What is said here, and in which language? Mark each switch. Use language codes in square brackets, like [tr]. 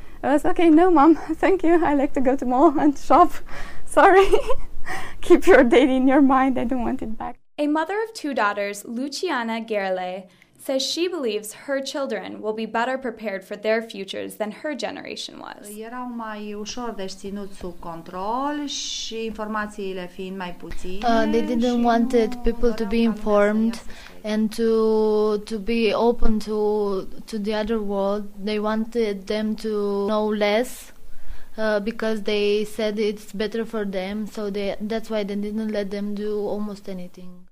[en] I was okay, no mom, thank you, I like to go to mall and shop, sorry. Keep your date in your mind, I don't want it back. A mother of two daughters, Luciana Gerle, says she believes her children will be better prepared for their futures than her generation was. [ro] Erau mai ușor de ținut sub control și informațiile fiind mai puține. [en] They didn't want people to be informed and to be open to the other world. They wanted them to know less because they said it's better for them, so that's why they didn't let them do almost anything.